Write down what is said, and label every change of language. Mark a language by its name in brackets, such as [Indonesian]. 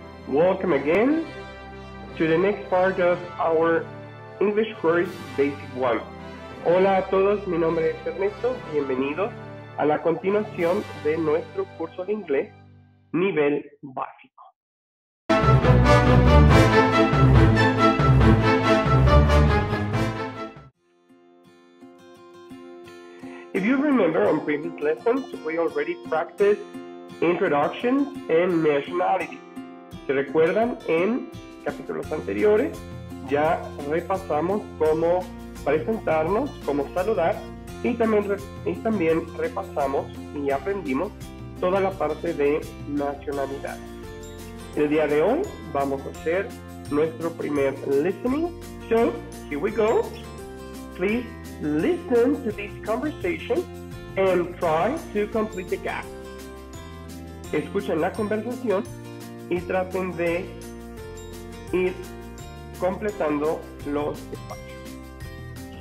[English] Welcome again to the next part of our English course, Basic 1. [Spanish] Hola a todos, mi nombre es Ernesto. Bienvenidos a la continuación de nuestro curso de inglés, nivel básico. [English] If you remember on previous lessons, we already practiced introductions and nationality. [Spanish] ¿Se recuerdan? En capítulos anteriores ya repasamos cómo presentarnos, cómo saludar y también repasamos y aprendimos toda la parte de nacionalidad. El día de hoy vamos a hacer nuestro primer listening. [English] So, here we go. Please listen to this conversation and try to complete the gap. [Spanish] Escuchen la conversación y traten de ir completando los espacios.